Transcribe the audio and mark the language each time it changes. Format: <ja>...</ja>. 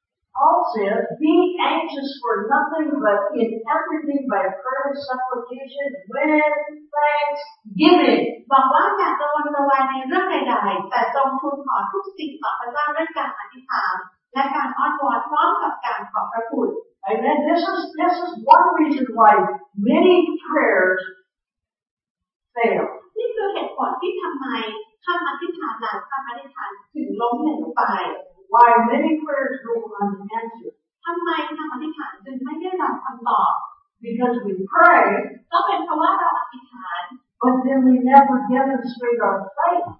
<en>Paul said, be anxious for nothing but in everything by prayer and supplication with thanksgiving.</en> <th>บอกว่าจากตะวันตะวันในเรื่องใดๆแต่ต้องทูลขอทุกสิ่งต่อพระเจ้าด้วยการอธิษฐานและการอ้อนวอนพร้อมกับการขอบพระคุณ</th> <en>Amen. This is one reason why many prayers fail.</en> <th>นี่คือเหตุผลที่ทำไมคำอธิษฐานหลายคำอธิษฐานถึงล้มเหลวไป</th> <en>Why many prayers go unanswered?</en> <th>ทำไมคำอธิษฐานจึงไม่ได้รับคำตอบ</th> <en>Because we pray.</en> <th>ก็เป็นเพราะว่าเราอธิษฐาน</th> <en>But then we never demonstrate our faith.</en>